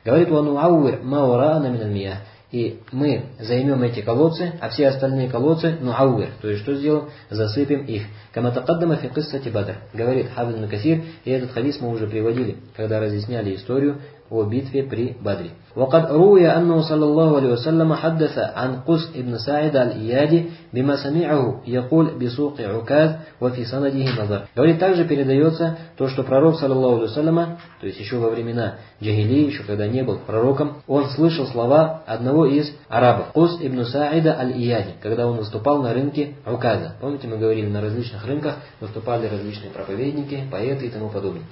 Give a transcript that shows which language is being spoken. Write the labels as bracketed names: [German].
[Russian] Говорит, [Arabic] вану аувир маурана мин аль-миях. [Russian] И мы займем эти колодцы, а все остальные колодцы, ну аувир, то есть что сделаем? Засыпем их. [Arabic] Каматакаддама фи киссати Бадр, [Russian] говорит Хавиль ибн Касир, и этот хадис мы уже приводили, когда разъясняли историю о битве при Бадре. [Arabic] وقد روي أنه صلى الله عليه وسلم حدث عن قص ابن سعد الإيادي بما سمعه يقول بسوق عكاظ وفي سنده نظر. [Russian] Говорит, также передается то, что пророк, саллаллаху алейхи ва саллям, то есть еще во времена джахили, еще когда не был пророком, он слышал слова одного из арабов, Кус ибн Саида аль-Ияди, когда он выступал на рынке Указа. Помните, мы говорили, на различных рынках выступали различные проповедники, поэты и тому подобное.